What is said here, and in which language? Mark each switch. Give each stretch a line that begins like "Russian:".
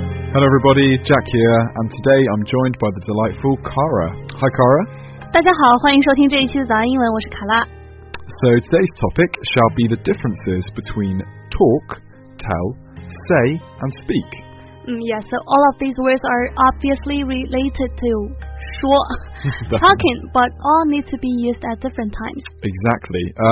English: Hello everybody, Jack here, and today I'm joined by the delightful Cara. Hi Cara.
Chinese: 大家好，欢迎收听这一期的早安英文，我是卡拉。
English: So today's topic shall be the differences between talk, tell, say, and speak. Yes, so all of these words are obviously related to 说 talking, but all need to be used at different times. Exactly.